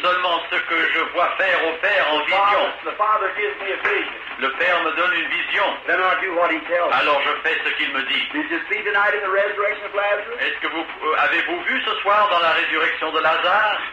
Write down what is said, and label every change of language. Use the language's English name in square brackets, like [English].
[French] Seulement ce que je vois faire au Père en [English] the [French] vision. [English] Father gives me a vision. [French] Le Père me donne une vision. [English] Then I do what he tells. [French] Alors je fais ce qu'il me dit. [English] Did you see tonight in the resurrection of Lazarus? [French] Est-ce que vous avez-vous vu ce soir dans la résurrection de Lazare?